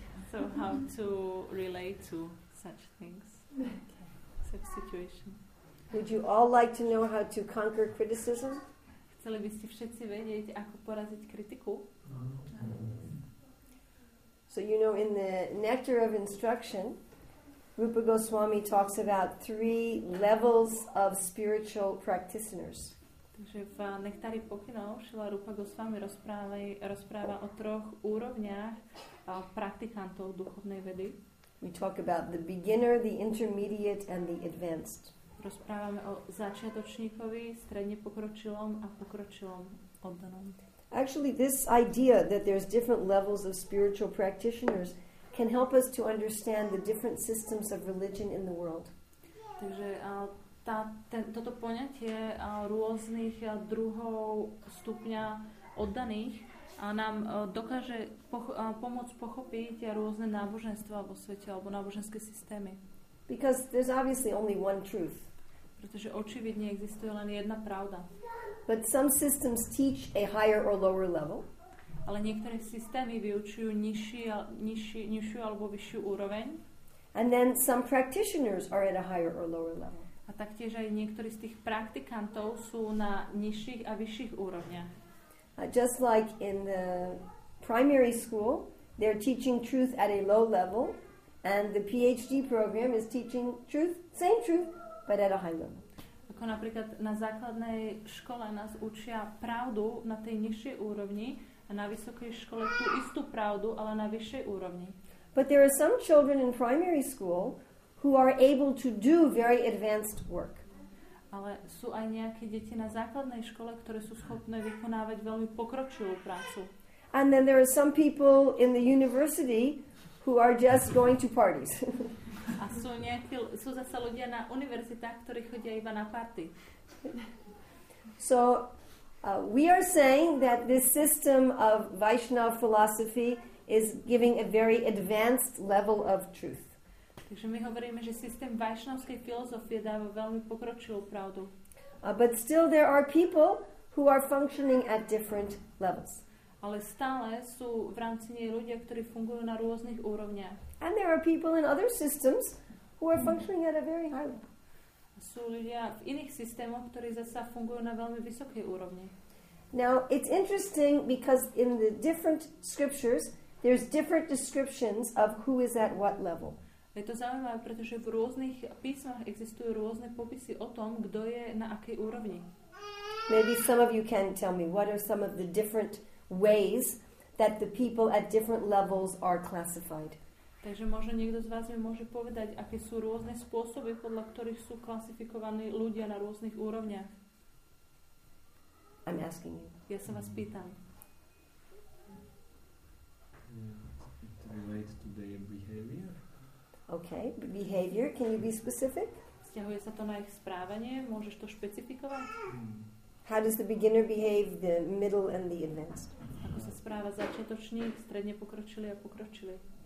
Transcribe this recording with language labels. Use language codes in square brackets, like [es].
[en] So how to relate to such things, such situation. Would you all like to know how to conquer criticism? [sk] Chceli by ste všetci vedieť, ako poraziť kritiku? [en] So you know, in the Nectar of Instruction, Rupa Goswami talks about three levels of spiritual practitioners. [sk] Takže v Nektári pokynov Šila Rupa Goswami rozpráva o troch úrovniach praktikantov duchovnej vedy. [en] We talk about the beginner, the intermediate and the advanced. [sk] Rozprávame o začiatočníkovi, stredne pokročilom a pokročilom oddanom. [en] Actually, this idea that there's different levels of spiritual practitioners can help us to understand the different systems of religion in the world. [sk] Takže toto poňatie rôznych druhov stupňa oddaných nám dokáže pomôcť pochopiť rôzne náboženstva vo svete alebo náboženské systémy. [en] Because there's obviously only one truth. [sk] Pretože očividne existuje len jedna pravda. [en] But some systems teach a higher or lower level. [sk] Ale niektoré systémy vyučujú nižšiu alebo vyššiu úroveň. [en] And then some practitioners are at a higher or lower level. [sk] A taktiež aj niektorí z tých praktikantov sú na nižších a vyšších úrovniach. [en] Just like in the primary school, they're teaching truth at a low level, and the PhD program is teaching truth, same truth, but at a high level. [sk] Ako napríklad na základnej škole nás učia pravdu na tej nižšej úrovni a na vysokej škole tú istú pravdu, ale na vyššej úrovni. [en] But there are some children in primary school who are able to do very advanced work. [sk] Ale sú aj nejaké deti na základnej škole, ktoré sú schopné vykonávať veľmi pokročilú prácu. [en] And then there are some people in the university who are just going to parties. [sk] A sú nejakí, sú zase ľudia na univerzitách, ktorí chodia iba na party. [en] So we are saying that this system of Vaishnava philosophy is giving a very advanced level of truth. [sk] Takže my hovoríme, že systém vaishnavskej filozofie dáva veľmi pokročilú pravdu. [en] But still there are people who are functioning at different levels. [sk] Ale stále sú v rámci nej ľudia, ktorí fungujú na rôznych úrovniach. [en] And there are people in other systems who are functioning at a very high level. [sk] Sú ľudia v iných systémoch, ktorí zasa fungujú na veľmi vysokej úrovni. [en] Now it's interesting because in the different scriptures there's different descriptions of who is at what level. [sk] Je to zaujímavé, pretože v rôznych písmach existujú rôzne popisy o tom, kto je na akej úrovni. [en] Maybe some of you can tell me what are some of the different ways that the people at different levels are classified. [sk] Takže možno niekto z vás mi môže povedať, aké sú rôzne spôsoby, podľa ktorých sú klasifikovaní ľudia na rôznych úrovniach. [en] I'm asking you. [sk] Ja sa vás pýtam. [en] It relates to their behavior. Okay, behavior, can you be specific? [sk] Vzťahuje sa to na ich správanie, môžeš to špecifikovať? [en] How does the beginner behave, the middle and the advanced? [sk] Ako sa správa začiatočník, stredne pokročili a pokročili?